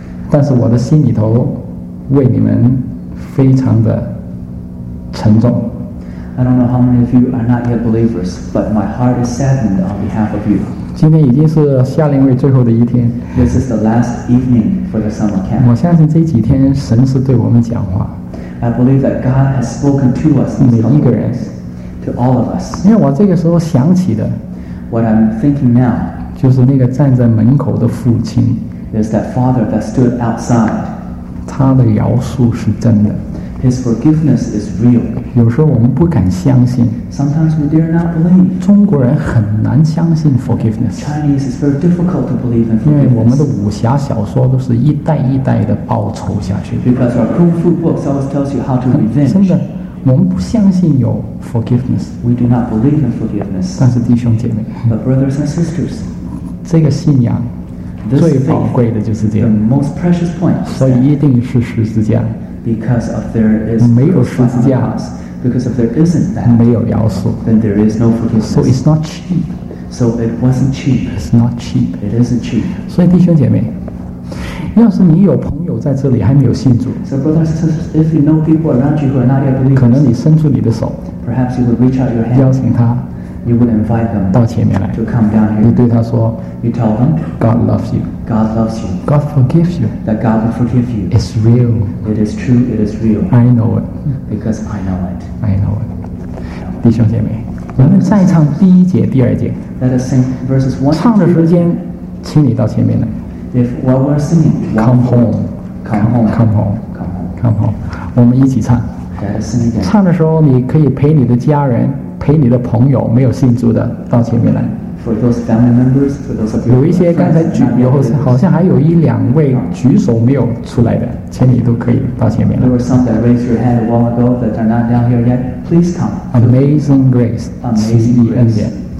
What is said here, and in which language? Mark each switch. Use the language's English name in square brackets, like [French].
[Chinese] 但是我的心里头为你们非常的沉重 [English] I don't know how many of you are not yet believers but my heart is saddened on behalf of you [Chinese] 今天已经是夏令会最后的一天 [English] This is the last evening for the summer camp [Chinese] 我相信这几天神是对我们讲话 [English] I believe that God has spoken to us. [Chinese] 每一个人 [English] ，to all of us. [Chinese] 因为我这个时候想起的 [English] ，what I'm thinking now， [Chinese] 就是那个站在门口的父亲 [English] ，is that father that stood outside. [Chinese] 他的饶恕是真的。 [English] His forgiveness is real. [Chinese] 有时候我们不敢相信。 [English] Sometimes we dare not believe. [Chinese] 中国人很难相信 forgiveness. [English] Chinese is very difficult to believe in forgiveness. [Chinese] 因为我们的武侠小说都是一代一代的报仇下去。 [English] Because our kung fu books always tells you how to revenge. [Chinese] 真的，我们不相信有 forgiveness. [English] We do not believe in forgiveness. [Chinese] 但是弟兄姐妹 [English] ，But brothers and sisters, [Chinese] 这个信仰最宝贵的就是这样。 [English] The most precious point. [Chinese] 所以一定是十字架。 [English] Because of there is [Chinese] 没有十字架 [English] because if there isn't that, [Chinese] 没有饶恕 [English] then there is no forgiveness. So it's not cheap. So it wasn't cheap. It's not cheap. It isn't cheap. [Chinese] 所以弟兄姐妹，要是你有朋友在这里还没有信主， [English] So brothers and sisters, if you know people around you who are not yet believers, [Chinese] 可能你伸出你的手， [English] perhaps you would reach out your hand, [Chinese] 邀请他， [English] you would invite them [Chinese] 到前面来， [English] to come down here. [Chinese] 你对他说， [English] you tell them, God loves you. God loves you. God forgives you. That God will forgive you. It's real. It is true. It is real. I know it. Because I know it. I know it. [Chinese] 弟兄姐妹，我们再唱第一节、第二节。 [English] Let us sing verses one. [Chinese] 唱的时间，请你到前面来。 [English] If while we're singing, come home. Come home. Come home. Come home. Come home. [Chinese] 我们一起唱。 [English] Let us sing again. [Chinese] 唱的时候，你可以陪你的家人、陪你的朋友，没有信主的到前面来。 [English] For those family members, for those of you, [Chinese] 有一些刚才举，有好像还有一两位举手没有出来的，请你都可以到前面来。 [English] There were some that raised your hand a while ago that are not down here yet. Please come. [Chinese] Amazing grace, 奇异恩典。